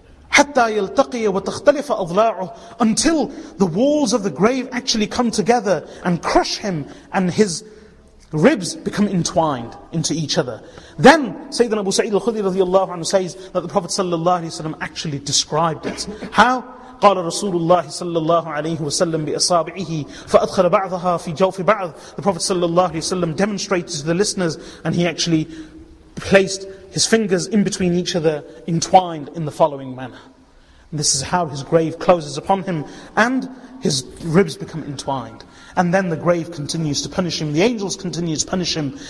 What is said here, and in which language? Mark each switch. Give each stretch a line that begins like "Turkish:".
Arabic: حَتَّى يَلْتَقِيَ وَتَخْتَلِفَ أَضْلَاعُهُ.
English: Until the walls of the grave actually come together and crush him, and his ribs become entwined into each other. Then Sayyidina Abu Sa'id al-Khudri radiallahu anhu says that the Prophet sallallahu alayhi wa sallam actually described it. How?
Arabic: قال رسول الله صلى الله عليه وسلم بأصابعه فأدخل بعضها في جوف بعض.
English: The Prophet sallallahu alayhi wa sallam demonstrated to the listeners, and he actually placed his fingers in between each other, entwined in the following manner. And this is how his grave closes upon him, and his ribs become entwined. And then the grave continues to punish him, the angels continue to punish him.